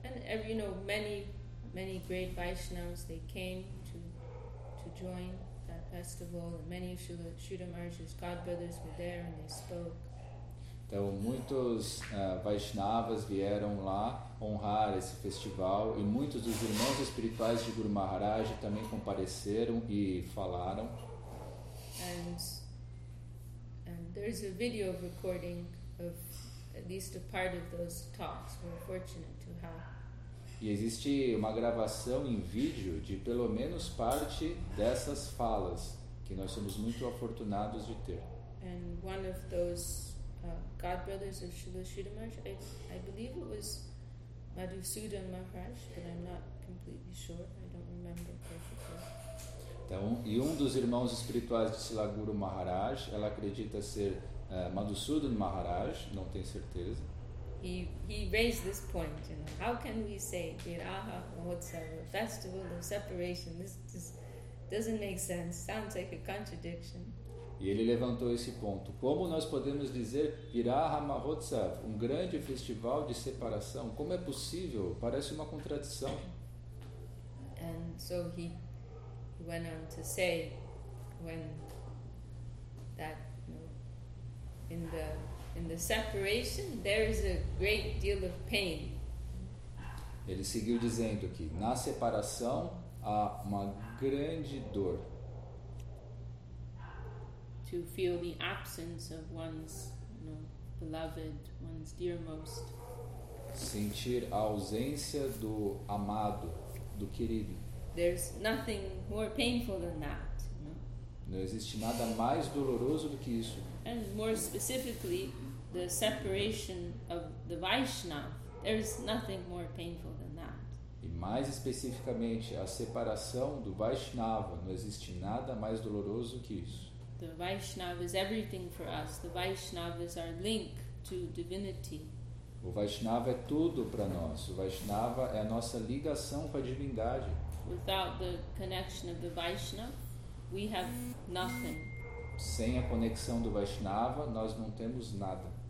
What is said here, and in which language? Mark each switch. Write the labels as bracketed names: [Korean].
[English] And you know, many great Vaishnavas, they came to join that festival, and many Srila Maharaj's god brothers were there and they spoke. [Portuguese] Então muitos Vaishnavas vieram lá honrar esse festival e muitos dos irmãos espirituais de Guru Maharaj também compareceram e falaram. [English] And there's a video recording of at least a part of those talks. We're fortunate to have. [Portuguese] E existe uma gravação em vídeo de pelo menos parte dessas falas que nós somos muito afortunados de ter. [English] And one of those god brothers of Srila Srila Maharaj, I believe it was Madhusudan Maharaj, but I'm not completely sure. I don't remember perfectly. [Portuguese] Então, e um dos irmãos espirituais de Srila Guru Maharaj, ela acredita ser Madhusudan Maharaj, não tenho certeza. [English] He raised this point, you know, how can we say Viraha Mahotsava, festival of separation? This doesn't make sense. Sounds like a contradiction. [Portuguese] E ele levantou esse ponto. Como nós podemos dizer Viraha Mahotsav, um grande festival de separação? Como é possível? Parece uma contradição. [English] And so he went on to say when that, you know, in the separation there is a great deal of pain. [Portuguese] Ele seguiu dizendo que na separação há uma grande dor. [English] To feel the absence of one's, you know, beloved, one's dearmost. [Portuguese] Sentir a ausência do amado, do querido. [English] There's nothing more painful than that. You know? [Portuguese] Não existe nada mais doloroso do que isso. [English] And more specifically, the separation of the Vaishnava. There's nothing more painful than that. [Portuguese] E mais especificamente, a separação do Vaishnava. Não existe nada mais doloroso que isso. [English] The Vaishnava is everything for us. The Vaishnava is our link to divinity. [Portuguese] O Vaishnava é tudo para nós. O Vaishnava é a nossa ligação com a divindade. [English] Without the connection of the Vaishnava, we have nothing. [Portuguese] Sem a conexão do Vaishnava, nós não temos nada.